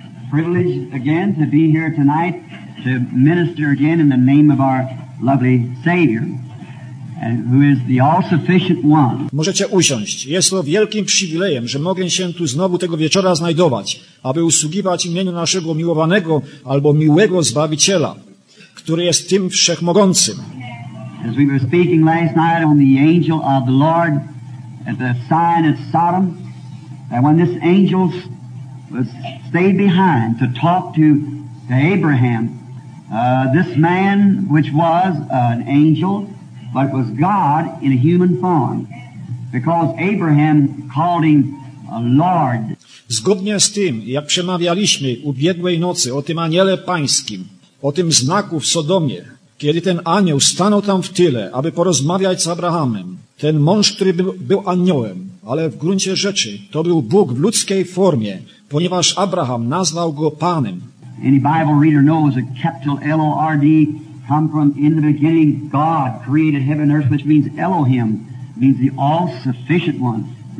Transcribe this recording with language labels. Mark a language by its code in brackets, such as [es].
[en] Privilege again to be here tonight to minister again in the name of our lovely Savior, who is the all-sufficient one. [pl] Możecie usiąść. Jest to wielkim przywilejem, że mogę się tu znowu tego wieczora znajdować, aby usługiwać imieniu naszego miłowanego albo miłego Zbawiciela, który jest tym wszechmogącym. [en] As we were speaking last night on the angel of the Lord at the sign at Sodom, that when this angel was stayed behind to talk to Abraham, this man, which was an angel, but was God in a human form, because Abraham called him Lord. [pl] Zgodnie z tym, jak przemawialiśmy ubiegłej nocy o tym aniele pańskim, o tym znaku w Sodomie, kiedy ten anioł stanął tam w tyle, aby porozmawiać z Abrahamem, ten mąż, który był aniołem, ale w gruncie rzeczy to był Bóg w ludzkiej formie, ponieważ Abraham nazwał go Panem. [en] Any Bible reader knows that capital L-O-R-D come from in the beginning God created heaven and earth, which means Elohim, means the all-sufficient one.